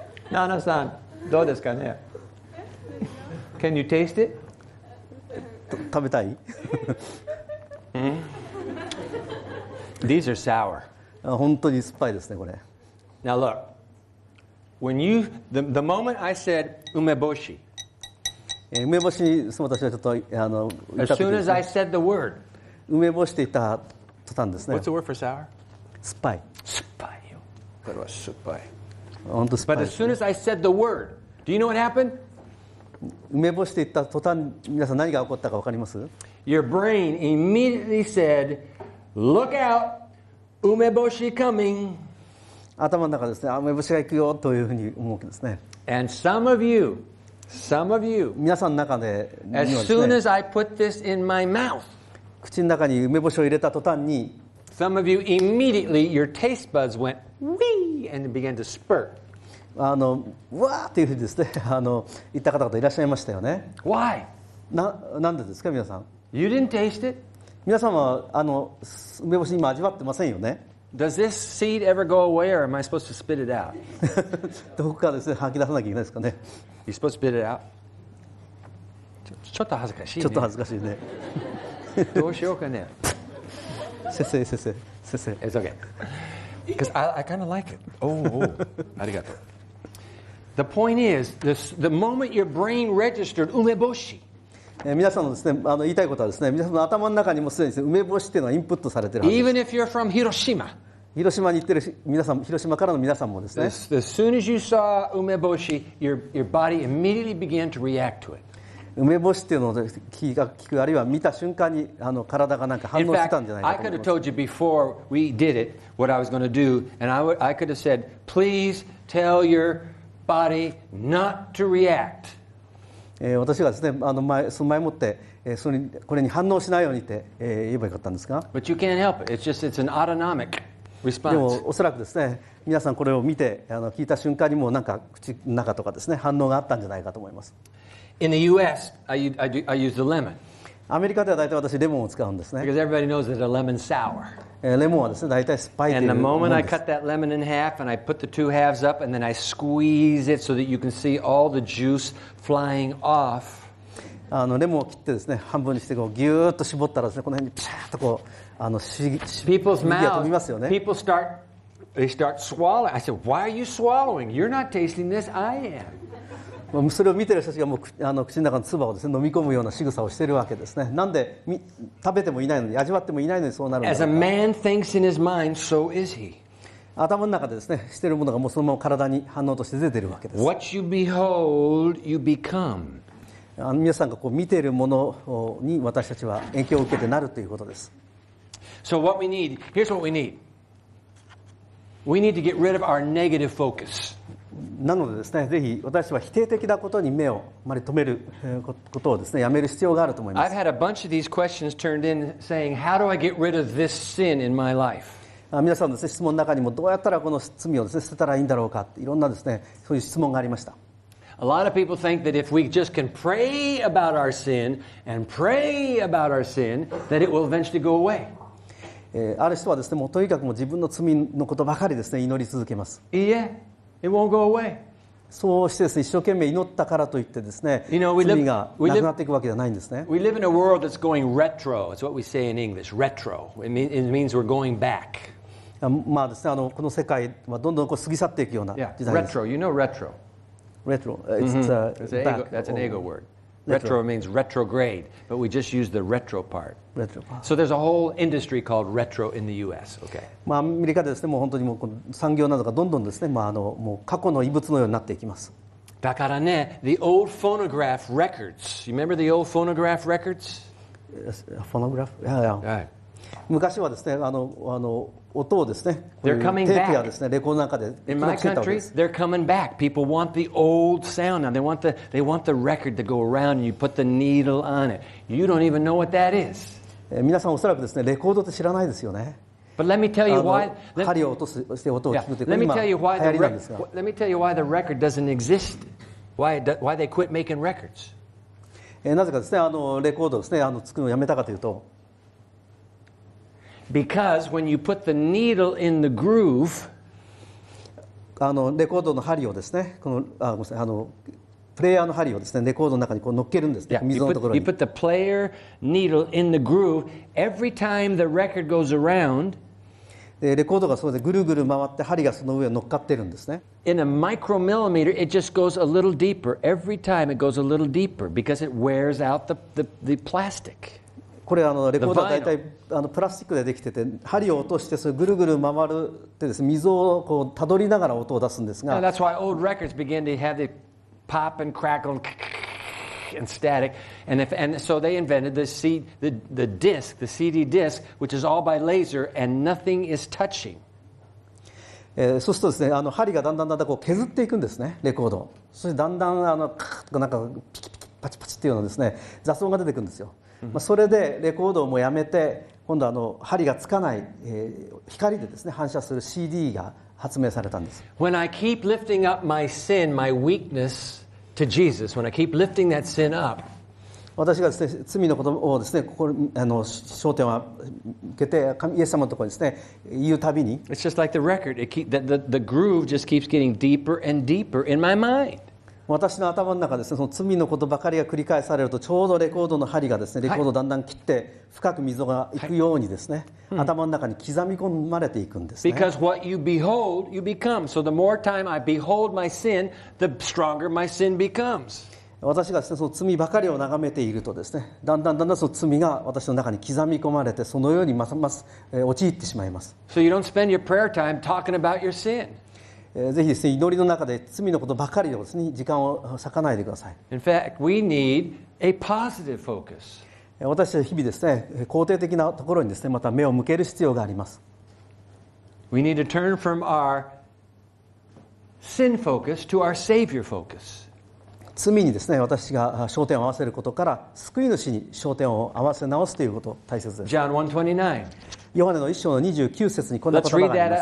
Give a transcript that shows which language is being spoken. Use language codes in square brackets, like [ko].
[ja] ナナさん、どうですかね。 [en] Can you taste it? [ja] 食べたい。 [en] These are sour. [ja] 本当に酸っぱいですね、これ。 [en] Now look. When you the moment I said 梅干し。 [ja] 梅干しに私はちょっと言った時、ね、 [en] As soon as I said the word, [ja] 梅干しって言った途端ですね。 [en] What's the word for sour? [ja] 酸っぱい。酸っぱいよ。これは酸っぱい。本当酸っぱい。 [en] But as soon as I said the word, do you know what happened? [ja] 梅干しって言った途端、皆さん何が起こったか分かります？ [en] Your brain immediately said, "Look out, 梅干し coming." [ja] 頭の中ですね、梅干しが行くよというふうに思うわけですね。 [en] And some of you. Some of you, [ja] 皆さんの中 で, で、ね、 [en] as soon as I put this in my mouth, [ja] 口の中に梅干しを入れた途端に、 [en] some of you immediately your taste buds went wee and began to spurt. [ja] うわーっていうふうにですね、言った方々いらっしゃいましたよね。 [en] Why? [ja] なんでですか、皆さん。 [en] You didn't taste it? [ja] 皆さんは梅干し今味わってませんよね。 [en] Does this seed ever go away, or am I supposed to spit it out? [ja] どこかですね、吐き出さなきゃいけないですかね。 [en] You're supposed to spit it out. [ja] ちょっと恥ずかしいね。ちょっと恥ずかしいね。どうしようかね。先生。 [en] It's okay. Because I kind of like it. Oh, [ja] ありがとう。 [en] The point is, the moment your brain registered 梅干し。 [ja] 皆さんのですね、言いたいことはですね、皆さんの頭の中にもすでにですね、梅干しっていうのはインプットされてるはずです。 [en] Even if you're from Hiroshima. [ja] 広島に行ってる皆さん、広島からの皆さんもですね。 [en] As soon as you saw 梅干し, your body immediately began to react to it. [ja] 梅干しっていうのを聞く、あるいは見た瞬間に体がなんか反応してたんじゃないかと。 [en] I could have told you before we did it what I was going to do, and I could have said, please tell your body not to react. [ja] 私がですね、その前もってそれこれに反応しないようにって言えばよかったんですが。 [en] But you can't help it. It's an autonomic response. [ja] でもおそらくですね、皆さんこれを見て聞いた瞬間にもなんか口の中とかですね反応があったんじゃないかと思います。 [en] In the U.S., I use the lemon. [ja] アメリカでは大体私レモンを使うんですね。 [en] Because everybody knows that a lemon's sour. [ja] レモンはですね、大体酸っぱいというものです。 [en] And the moment I cut that lemon in half and I put the two halves up and then I squeeze it so that you can see all the juice flying off. [ja] レモンを切ってですね、半分にしてこうギューッと絞ったらですね、この辺にチャーッとこう、 [en] People's mouth, [ja] 飛びますよね。 [en] People start, they start swallowing. I said, why are you swallowing? You're not tasting this, I am. [ja] それを見てる人たちがもう口の中の唾をですね飲み込むような仕草をしているわけですね。なんで食べてもいないのに味わってもいないのにそうなるのか。 [en] As a man thinks in his mind, so is he. [ja] 頭の中でですねしているものがもうそのまま体に反応として出ているわけです。 [en] What you behold, you become. [ja] 皆さんがこう見ているものに私たちは影響を受けてなるということです。 [en] So what we need, here's what we need. We need to get rid of our negative focus. [ja] なのでですね、ぜひ私は否定的なことに目をあまり止めることをですね、やめる必要があると思います。 [en] I've had a bunch of these questions turned in saying, how do I get rid of this sin in my life? [ja] 皆さんの質問の中にも、どうやったらこの罪をですね、捨てたらいいんだろうか、いろんなですね、そういう質問がありました。 [en] A lot of people think that if we just can pray about our sin, and pray about our sin, that it will eventually go away. [ja] ある人はですね、もうとにかくも自分の罪のことばかりですね、祈り続けます。いいえ。 [en] It won't go away. [ja] そうしてですね、一生懸命祈ったからといってですね、罪がなくなっていくわけではないんですね。 [en] We live in a world that's going retro. It's what we say in English. Retro. It means we're going back. [ja] まあですね、この世界はどんどんこう過ぎ去っていくような時代です。 [en] Yeah. Retro. You know retro. Retro. That's an ego word. Retro means retrograde. But we just use the retro part. Retro. So there's a whole industry called retro in the U.S. Okay. [ja] アメリカでですね、もう本当にもう産業などがどんどんですね、まあ、もう過去の遺物のようになっていきます。だからね、 [en] the old phonograph records. You remember the old phonograph records? Phonograph? Yeah, yeah. Right. [ja] 昔はですね、音をですね、 [en] they're coming back. [ja] テープやですね、レコードの中で記録してたわけです。 [en] In my country, they're coming back. People want the old sound. Now they want the record to go around and you put the needle on it. You don't even know what that is. [ja] 皆さんおそらくですね、レコードって知らないですよね。 [en] But let me tell you why. Let me tell you why the record doesn't exist. Why they quit making records? [ja] なぜかですね、レコードですね、作るのをやめたかというと。 [en] Because when you put the needle in the groove, [ja] レコードの針をですね、このごめんなさい、プレイヤーの針をですね、レコードの中にこう乗っけるんですね、溝のところに。 [en] You put the player needle in the groove every time the record goes around. [ja] でレコードがそれでぐるぐる回って針がその上に乗っかってるんですね。 [en] In a micromillimeter, it just goes a little deeper. Every time it goes a little deeper because it wears out the plastic. [ja] これレコードは大体プラスチックでできてて、針を落としてそれぐるぐる回るってですね、溝をこうたどりながら音を出すんですが。 [en] And that's why old records begin to have the pop and crackle and static. And so they invented the disc, the CD disc, which is all by laser and nothing is touching. [ja] そうするとですね、針がだんだんだんだんこう削っていくんですね、レコード。そしてだんだんカッとかなんかピキピキパチパチっていうのですね、雑音が出てくるんですよ。 Mm-hmm. まあそれでレコードをもうやめて、今度針がつかない、光でですね、反射する CD が発明されたんです。 [en] When I keep lifting up my sin, my weakness,To Jesus, when I keep lifting that sin up, [ja] 私がですね、罪のことをですね、ここ焦点を向けて、イエス様のところにですね、言うたびに、 [en] It's just like the record. It keep the groove just keeps getting deeper and deeper in my mind. [ja] 私の頭の中ですね、その罪のことばかりが繰り返されると、ちょうどレコードの針がですね、レコードをだんだん切って深く溝がいくようにですね、はい、頭の中に刻み込まれていくんですね。 [en] Because what you behold, you become. So the more time I behold my sin, the stronger my sin becomes. [ja] 私がですね、その罪ばかりを眺めているとですね、だんだんだんだんその罪が私の中に刻み込まれて、そのようにますます陥ってしまいます。 [en] So you don't spend your prayer time talking about your sin. [ja] ぜひですね、祈りの中で罪のことばかりをですね、時間を割かないでください。 [en] In fact, we need a positive focus. [ja] 私は日々ですね、肯定的なところにですね、また目を向ける必要があります。 [en] We need to turn from our sin focus to our Savior focus. [ja] 罪にですね、私が焦点を合わせることから救い主に焦点を合わせ直すということ大切です。 [en] John 1:29. [ja] ヨハネの1章の29節にこんな言葉があります。